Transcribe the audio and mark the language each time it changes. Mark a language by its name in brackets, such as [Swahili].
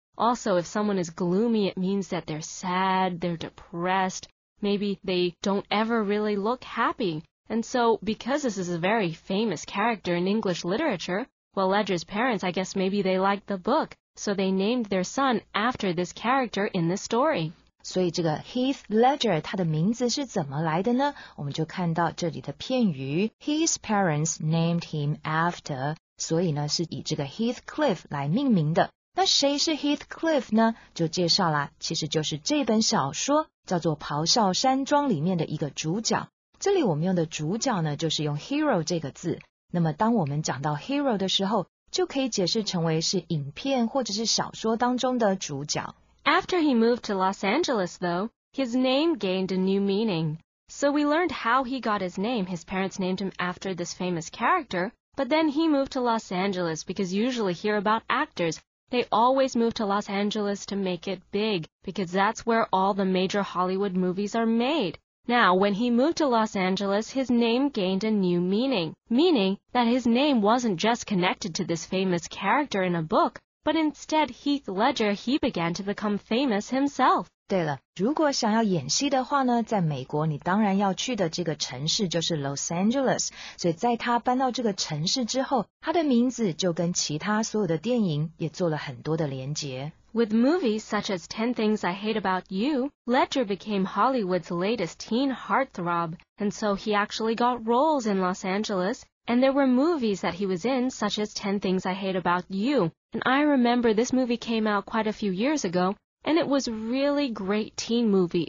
[English] Also, if someone is gloomy, it means that they're sad, they're depressed, maybe they don't ever really look happy. And so, because this is a very famous character in English literature, well, Ledger's parents, I guess maybe they liked the book, so they named their son after this character in the story. [Chinese] 所以这个 Heath Ledger 他的名字是怎么来的呢？我们就看到这里的片语 [English] His parents named him after [Chinese] 所以呢是以这个 Heathcliff 来命名的那谁是 Heathcliff 呢？就介绍了其实就是这本小说叫做《咆哮山庄》里面的一个主角这里我们用的主角呢就是用 hero 这个字那么当我们讲到 hero 的时候就可以解释成为是影片或者是小说当中的主角 [English] After he moved to Los Angeles, though, his name gained a new meaning. So we learned how he got his name. His parents named him after this famous character, but then he moved to Los Angeles because usually hear about actors. They always move to Los Angeles to make it big because that's where all the major Hollywood movies are made. Now, when he moved to Los Angeles, his name gained a new meaning, meaning that his name wasn't just connected to this famous character in a book,But instead, Heath Ledger, he began to become famous himself. [Chinese] 对了，如果想要演戏的话呢，在美国你当然要去的这个城市就是 Los Angeles。所以在他搬到这个城市之后，他的名字就跟其他所有的电影也做了很多的连结。 [English] With movies such as 10 Things I Hate About You, Ledger became Hollywood's latest teen heartthrob, and so he actually got roles in Los Angeles. And there were movies that he was in, such as 10 Things I Hate About You. And I remember this movie came out quite a few years ago, and it was a really great teen movie.